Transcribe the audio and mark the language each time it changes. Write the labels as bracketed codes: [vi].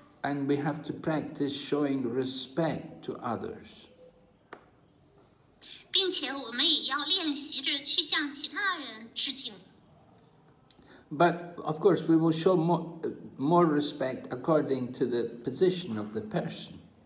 [en] And we have to practice showing respect to others. [zh] 并且我们也要练习着去向其他人致敬。 [en] But of course, we will show more respect according to the position of the person.